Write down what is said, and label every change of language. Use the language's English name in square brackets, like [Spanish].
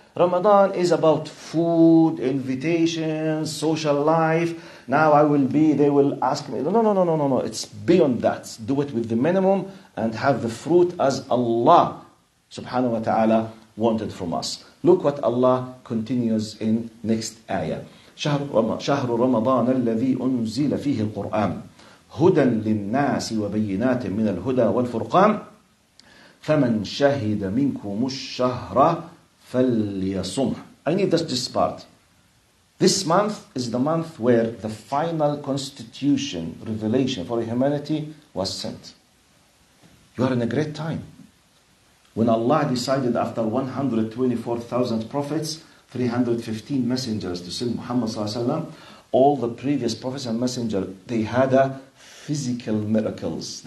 [English] Ramadan is about food, invitations, social life. Now I will be, they will ask me. No. It's beyond that. Do it with the minimum and have the fruit as Allah subhanahu wa ta'ala wanted from us. Look what Allah continues in next ayah. [Arabic] شهر رمضان الذي أنزل فيه القرآن هدى للناس وبينات من الهدى والفرقان فمن شهد منكم الشهر فليصمه. [English] I need this part. This month is the month where the final constitution, revelation for humanity was sent. You are in a great time. When Allah decided after 124,000 prophets, 315 messengers to send Muhammad sallallahu alaihi wasallam, all the previous prophets and messengers, they had a physical miracles.